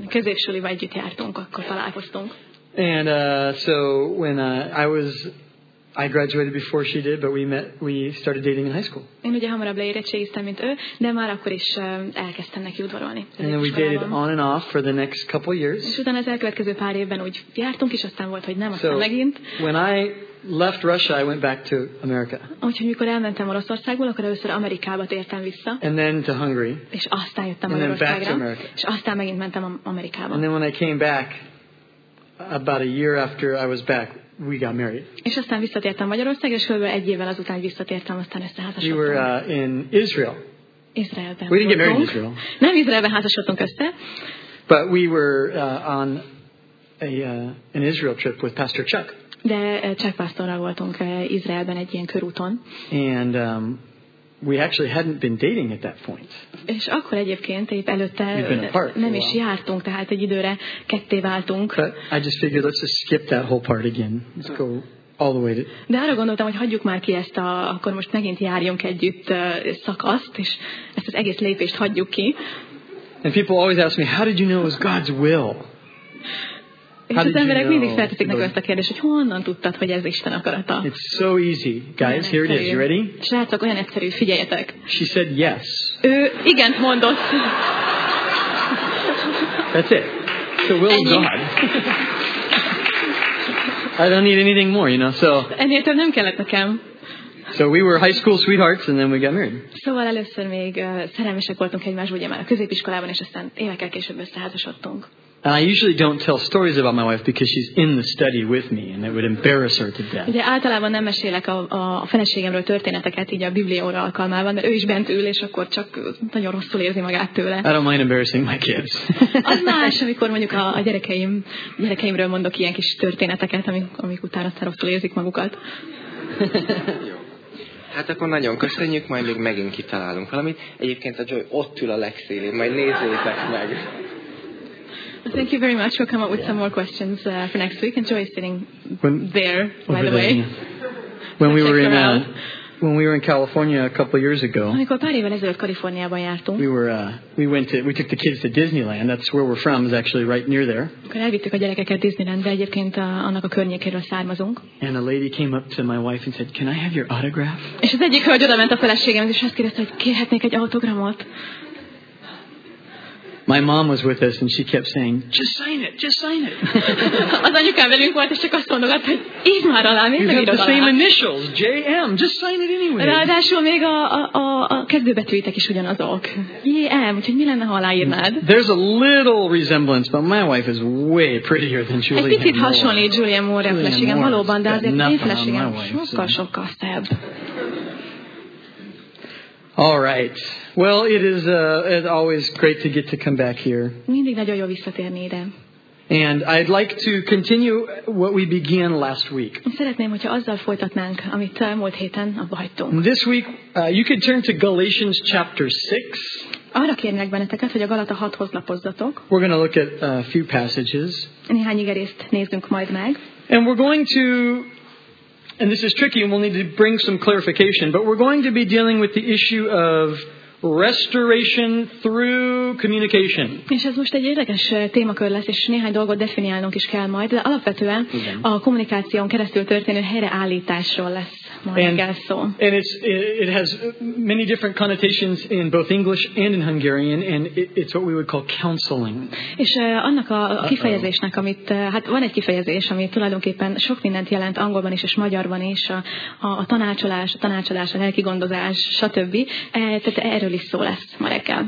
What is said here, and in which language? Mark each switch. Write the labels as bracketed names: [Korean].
[Hungarian] Középiskolai együtt jártunk, akkor találkoztunk. [English] And so when I graduated before she did, but we started dating in high school. [Hungarian] Én ugye hamarabb leérettségiztem, mint ő, de már akkor is elkezdtem neki udvarolni. [English] And then we dated on and off for the next couple years. [Hungarian] És utána az elkövetkező pár évben úgy jártunk, és aztán volt, hogy nem, aztán megint. [English] So when I left Russia, I went back to America. [Hungarian] Úgyhogy mikor elmentem Oroszországból, akkor először Amerikába tértem vissza. [English] And then to Hungary. [Hungarian] És aztán jöttem Oroszországra. És aztán megint mentem Amerikába. [English] And then when I came back, about a year after I was back, we got married. [Hungarian] És aztán visszatértem Magyarországra, és körülbelül egy évvel azután visszatértem, aztán összeházasodtunk. [English] We were in Israel. [Hungarian] Izraelben. [English] We didn't get married in Israel. [Hungarian] Nem Izraelben házasodtunk össze. [English] But we were on an Israel trip with Pastor Chuck. [Hungarian] De Chuck pásztorral voltunk Izraelben egy ilyen körúton. [English] And we actually hadn't been dating at that point. [Hungarian] És akkor egyébként épp előtte nem is jártunk, tehát egy időre ketté váltunk. [English] But I just figured let's just skip that whole part again. Let's go all the way. [Hungarian] De arra gondoltam, hogy hagyjuk már ki ezt a, akkor most megint járjunk együtt szakaszt, és ezt az egész lépést hagyjuk ki. [English] And people always ask me, how did you know it was God's will? [Hungarian] És az emberek mindig felteszik nekem ezt a kérdést, hogy honnan tudtad, hogy ez Isten akarata? [English] It's so easy, guys. Here it is. You ready? [Hungarian] Srácok, olyan egyszerű, figyeljetek. [English] She said yes. [Hungarian] Ő igent mondott. [English] That's it. The will of God. I don't need anything more, you know. So. [Hungarian] Ennél több nem kellett nekem. [English] So we were high school sweethearts, and then we got married. [Hungarian] Szóval először még szerelmesek voltunk egymásba, ugye már a középiskolában, és aztán évekkel később összeházasodtunk. [English] And I usually don't tell stories about my wife because she's in the study with me, and it would embarrass her to death. [Hungarian] De általában nem mesélek a feleségemről történeteket, így a Biblióra alkalmával, mert ő is bent ül, és akkor csak nagyon rosszul érzi magát tőle. [English] I don't mind embarrassing my kids. [Hungarian] Az más, amikor mondjuk a gyerekeimről mondok ilyen kis történeteket, amik utána aztán rosszul érzik magukat. Hát akkor nagyon köszönjük, majd még megint kitalálunk valamit. Egyébként a Joy ott ül a legszélén, majd nézzétek meg. [English] Thank you very much. We'll come up with some more questions for next week. And Joy is sitting by the way. When we were in California a couple of years ago, we took the kids to Disneyland. That's where we're from. Is actually right near there. And a lady came up to my wife and said, "Can I have your autograph?" [Hungarian] És az egyik hölgy odament a feleségemhez, és azt kérdezte, hogy kérhetnék egy autogramot. [English] My mom was with us, and she kept saying, "Just sign it, just sign it." [Hungarian] Az anyukám velünk volt, és csak azt mondogatta, hogy írd már alá, mindig írd alá. [English] You have the same initials, J.M. Just sign it anyway. [Hungarian] Ráadásul még a kezdőbetűitek is ugyanazok. J.M., úgyhogy mi lenne, ha aláírnád? [English] There's a little resemblance, but my wife is way prettier than Julianne Moore. [Hungarian] Egy picit hasonlít Julianne Moore feleségem, valóban, de azért én feleségem sokkal-sokkal szebb. [English] All right. Well, it is it's always great to get to come back here. [Hungarian] Mindig nagyon jó visszatérni ide. [English] And I'd like to continue what we began last week. [Hungarian] Szeretném, hogyha azzal folytatnánk, amit múlt héten abba hagytunk. [English] This week, you can turn to Galatians chapter 6. [Hungarian] Arra kérnek benneteket, hogy a Galata 6-hoz lapozzatok. [English] We're going to look at a few passages. [Hungarian] Néhány igerészt nézzünk majd meg. [English] And we're going to, and this is tricky and we'll need to bring some clarification, but we're going to be dealing with the issue of restoration through communication. [Hungarian] És ez most egy érdekes témakör lesz, és néhány dolgot definiálnunk is kell majd, de alapvetően a kommunikáción keresztül történő helyreállításról lesz majd szó. [English] And it has many different connotations in both English and in Hungarian, and it's what we would call counseling. [Hungarian] És annak a kifejezésnek, amit, hát van egy kifejezés, ami tulajdonképpen sok mindent jelent angolban is és magyarban is, a tanácsolás, a tanácsolás, a lelki gondozás, stb. Erről is szó lesz ma reggel.